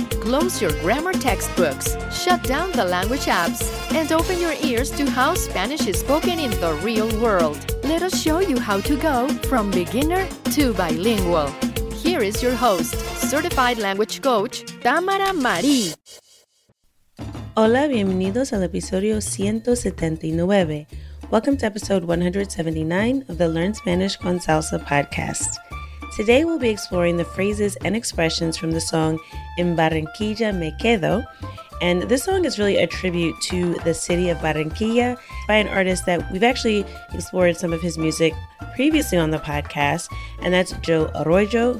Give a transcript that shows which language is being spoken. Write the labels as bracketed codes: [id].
[en] Close your grammar textbooks, shut down the language apps, and open your ears to how Spanish is spoken in the real world. Let us show you how to go from beginner to bilingual. Here is your host, certified language coach, Tamara Marie. [es] Hola, bienvenidos al episodio 179. [en] Welcome to episode 179 of the Learn Spanish con Salsa podcast. Today we'll be exploring the phrases and expressions from the song En Barranquilla Me Quedo. And this song is really a tribute to the city of Barranquilla by an artist that we've actually explored some of his music previously on the podcast, and that's Joe Arroyo.